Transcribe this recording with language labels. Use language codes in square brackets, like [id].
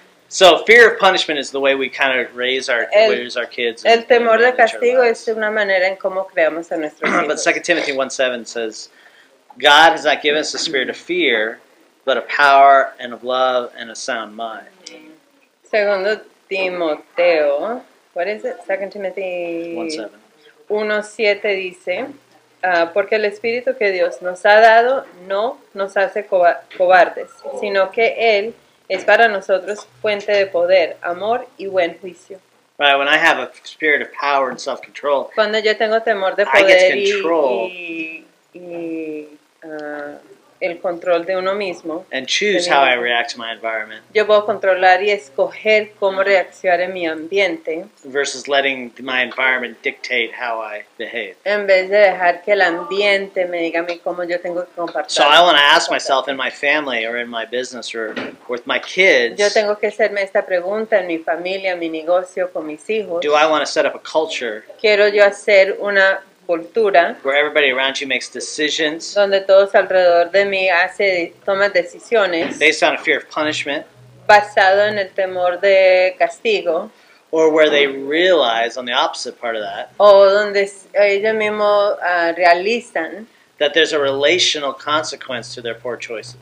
[en] So fear of punishment is the way we kind of raise our kids. [es] El temor de castigo es una manera en cómo creamos a nuestros hijos. [en] But 2 Timothy 1:7 says, God has not given us a spirit of fear, but of power and of love and a sound mind. Segundo Timoteo, what is it? 2 Timothy 1:7 [es] dice, porque el espíritu que Dios nos ha dado no nos hace cobardes, sino que él es para nosotros fuente de poder, amor y buen juicio. [en] Right, when I have a spirit of power and self-control, [es] cuando yo tengo temor de poder el control de uno mismo, [en] and choose how I react to my environment. [es] Yo puedo controlar y escoger cómo reaccionar en mi ambiente. [en] Versus letting my environment dictate how I behave. [es] En vez de dejar que el ambiente me diga a mí cómo yo tengo que compartir. [en] So I want to ask myself in my family or in my business or with my kids. [es] Yo tengo que hacerme esta pregunta en mi familia, mi negocio, con mis hijos. [en] Do I want to set up a culture? [es] Quiero yo hacer una cultura, [en] where everybody around you makes decisions, [es] donde todos alrededor de mí hace toma decisiones, [en] based on a fear of punishment, [es] basado en el temor de castigo, [en] or where they realize on the opposite part of that, [es] o donde ellos mismos realizan [en] that there's a relational consequence to their poor choices,